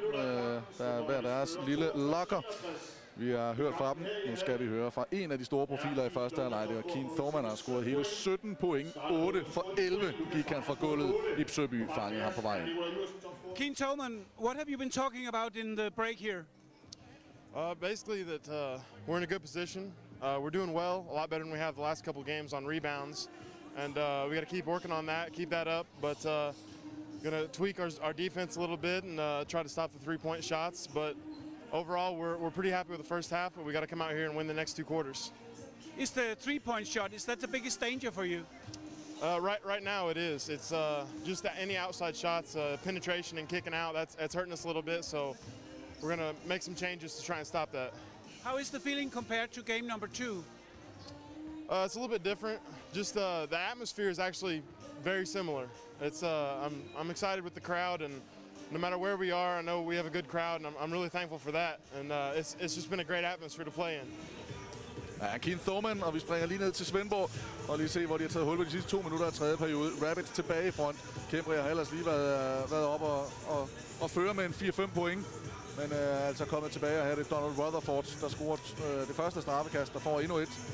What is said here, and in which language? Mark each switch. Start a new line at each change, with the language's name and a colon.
Danish: Der er hver deres lille locker. Vi har hørt fra dem. Nu skal vi høre fra en af de store profiler i første halvleg. Det var Keane Thormann, der har scoret hele 17 point. 8 for 11 gik han fra gulvet. Ipsøby fangede ham på vejen.
English: Keane Thormann, what have you been talking about in the break here? Basically that we're in a good position. We're doing well, a lot better than we have the last couple games on rebounds. And we got to keep working on that, keep that up. But going to tweak our defense a little bit and try to stop the three-point shots. But overall, we're pretty happy with the first half, but we got to come out here and win the next two quarters. Is the three-point shot, is that the biggest danger for you? Right now it is. It's just that any outside shots, penetration and kicking out, that's hurting us a little bit. So we're going to make some changes to try and stop that. How is the feeling compared to game number 2? It's a little bit different. Just the atmosphere is actually very similar. It's I'm excited with the crowd, and no matter where we are, I know we have a good crowd, and I'm really thankful for that. And it's just been a great atmosphere to play in.
Danish: Ja, Keane Thormann, og vi springer lige ned til Svendborg og lige se, hvor de har taget hul på de sidste 2 minutter af tredje periode. Rabbits tilbage i front. Kæmper har ellers lige været op og føre med en 4-5 point. Men altså kommet tilbage og have det Donald Rutherford, der scorer det første straffekast, der får endnu et.